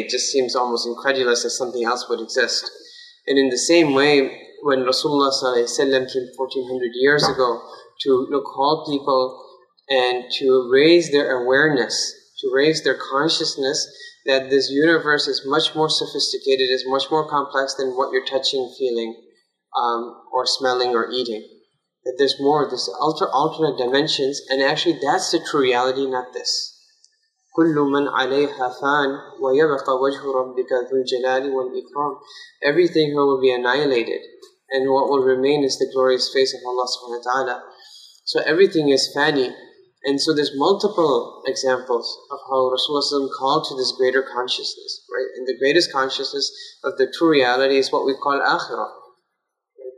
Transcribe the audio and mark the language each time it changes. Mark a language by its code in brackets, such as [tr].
[en] It just seems almost incredulous that something else would exist. And in the same way, when Rasulullah sallallahu alaihi wasallam came 1400 years ago to call people and to raise their awareness, to raise their consciousness that this universe is much more sophisticated, is much more complex than what you're touching, feeling, or smelling or eating. That there's more, there's alternate dimensions, and actually that's the true reality, not this. [ar] كل من عليها فان ويبقى وجه ربك ذو الجلال والإكرام. [en] Everything here will be annihilated, and what will remain is the glorious face of Allah subhanahu wa ta'ala. So everything is fani. And so there's multiple examples of how Rasulullah called to this greater consciousness, right? And the greatest consciousness of the true reality is what we call akhirah. Right?